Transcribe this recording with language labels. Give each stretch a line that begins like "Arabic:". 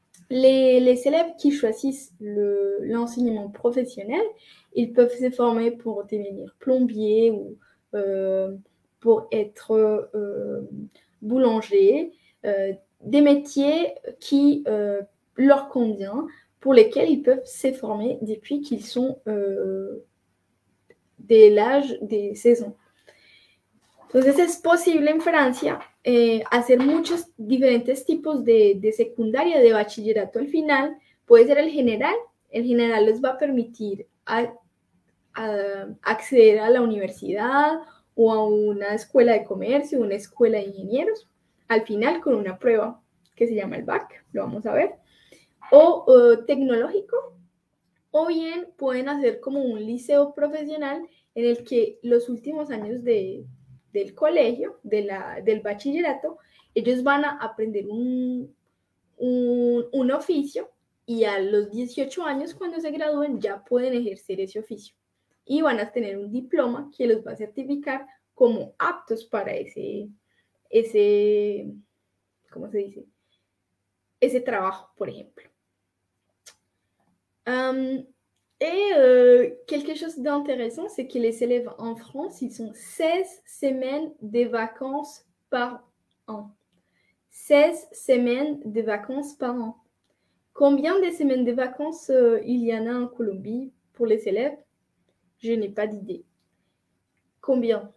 French: Les élèves qui choisissent l'enseignement professionnel, ils peuvent se former pour devenir plombier ou pour être boulanger, des métiers qui leur conviennent, pour lesquels ils peuvent se former depuis qu'ils sont dès l'âge des 16 ans.
Spanish: Entonces es posible en Francia hacer muchos diferentes tipos de secundaria, de bachillerato al final. Puede ser el general les va a permitir acceder a la universidad o a una escuela de comercio, una escuela de ingenieros, al final con una prueba que se llama el BAC, lo vamos a ver, o tecnológico, o bien pueden hacer como un liceo profesional en el que los últimos años del colegio, del bachillerato, ellos van a aprender un oficio y a los 18 años cuando se gradúen ya pueden ejercer ese oficio y van a tener un diploma que los va a certificar como aptos para ¿cómo se dice? Ese trabajo, por ejemplo.
French: Quelque chose d'intéressant, c'est que les élèves en France, ils ont 16 semaines de vacances par an. 16 semaines de vacances par an. Combien de semaines de vacances il y en a en Colombie pour les élèves? Je n'ai pas d'idée. Combien?